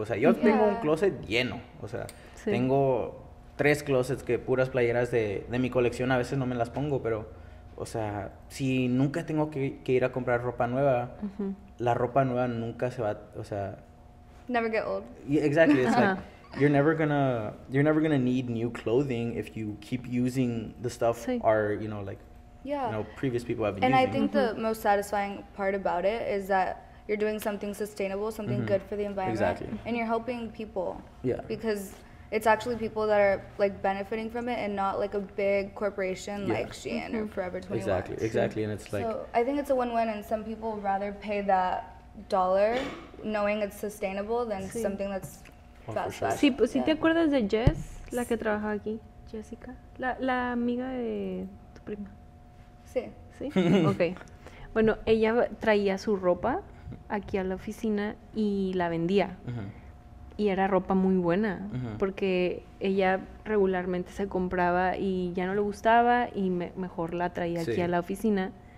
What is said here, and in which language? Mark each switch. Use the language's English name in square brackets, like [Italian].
[Spanish] O sea, yo tengo un closet lleno, o sea, tengo... 3 closets que puras playeras de mi colección, a veces no me las pongo, pero, o sea, si nunca tengo que ir a comprar ropa nueva, la ropa nueva nunca se va, o sea... [English] Never get old. Exactly, it's like, you're never gonna need new clothing if you keep using the stuff or you know like yeah you know previous people have been and using. I think mm-hmm. the most satisfying part about it is that you're doing something sustainable, something mm-hmm. good for the environment, exactly. and you're helping people. Yeah, because it's actually people that are like benefiting from it, and not like a big corporation yeah. like Shein mm-hmm. or Forever 21. Exactly, exactly, and it's like. So I think it's a win-win, and some people would rather pay that dollar, knowing it's sustainable, than sí. Something that's fast [Spanish] fashion. Sí, pues, yeah. ¿Te acuerdas de Jess, la que trabaja aquí, Jessica, la amiga de tu prima? Sí. Sí. Okay. Bueno, ella traía su ropa aquí a la oficina y la vendía. Uh-huh. Y era ropa muy buena, uh-huh. porque ella regularmente se compraba y ya no le gustaba y mejor la traía sí. aquí a la oficina.